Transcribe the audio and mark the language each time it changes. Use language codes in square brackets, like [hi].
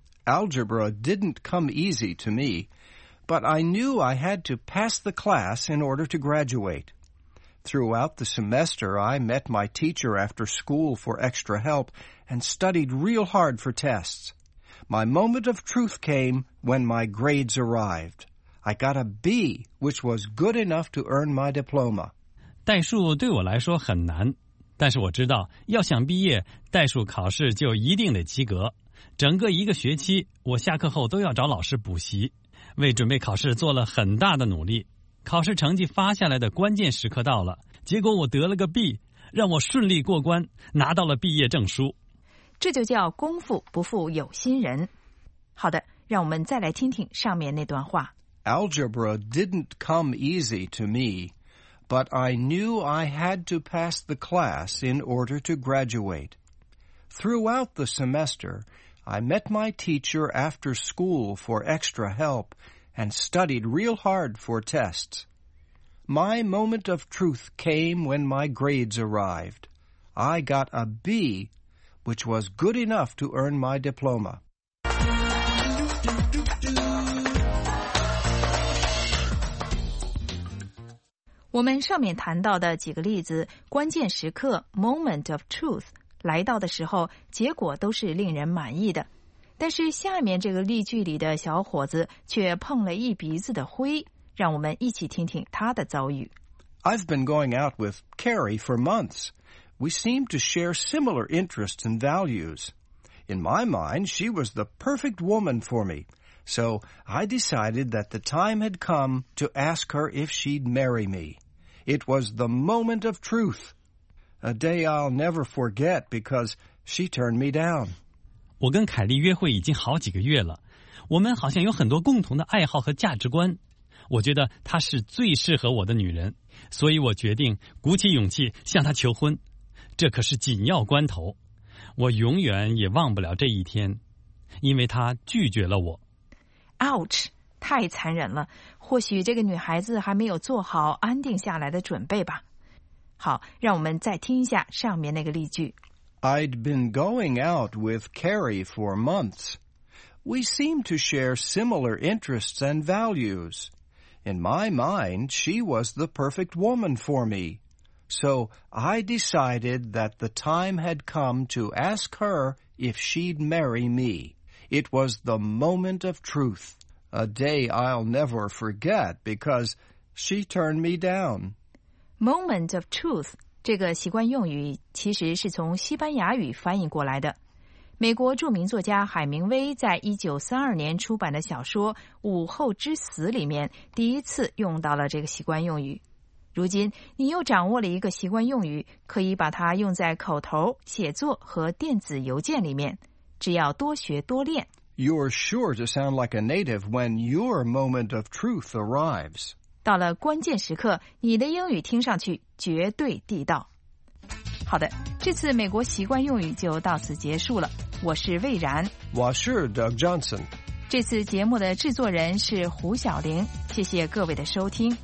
[en] Algebra didn't come easy to me, but I knew I had to pass the class in order to graduate. Throughout the semester, I met my teacher after school for extra help and studied real hard for tests. My moment of truth came when my grades arrived. I got a B, which was good enough to earn my diploma. [zh] 代数对我来说很难，但是我知道要想毕业，代数考试就一定得及格。整个一个学期，我下课后都要找老师补习，为准备考试做了很大的努力。考试成绩发下来的关键时刻到了，结果我得了个 B， 让我顺利过关，拿到了毕业证书。这就叫功夫不负有心人。好的，让我们再来听听上面那段话。 [en] Algebra didn't come easy to me. But I knew I had to pass the class in order to graduate. Throughout the semester, I met my teacher after school for extra help and studied real hard for tests. My moment of truth came when my grades arrived. I got a B, which was good enough to earn my diploma. [zh] 我们上面谈到的几个例子，关键时刻 [en] moment of truth [zh] 来到的时候，结果都是令人满意的。但是下面这个例句里的小伙子却碰了一鼻子的灰，让我们一起听听他的遭遇。 [en] I've been going out with Carrie for months. We seem to share similar interests and values. In my mind, she was the perfect woman for me. So I decided that the time had come to ask her if she'd marry me. It was the moment of truth. A day I'll never forget because she turned me down. [zh] 我跟凯莉约会已经好几个月了，我们好像有很多共同的爱好和价值观。我觉得她是最适合我的女人，所以我决定鼓起勇气向她求婚。这可是紧要关头，我永远也忘不了这一天，因为她拒绝了我。 Ouch， 太残忍了，或许这个女孩子还没有做好安定下来的准备吧。好，让我们再听一下上面那个例句。 [en] I'd been going out with Carrie for months. We seem to share similar interests and values. In my mind, she was the perfect woman for me. So I decided that the time had come to ask her if she'd marry me. It was the moment of truth. A day I'll never forget because she turned me down. Moment of truth [zh] 这个习惯用语其实是从西班牙语翻译过来的。美国著名作家海明威在1932年出版的小说《午后之死》里面第一次用到了这个习惯用语。如今你又掌握了一个习惯用语，可以把它用在口头、写作和电子邮件里面，只要多学多练。 [en] You're sure to sound like a native when your moment of truth arrives. [zh] 到了关键时刻，你的英语听上去绝对地道。好的，这次美国习惯用语就到此结束了。我是魏然，我是 Doug Johnson。这次节目的制作人是胡晓玲。谢谢各位的收听。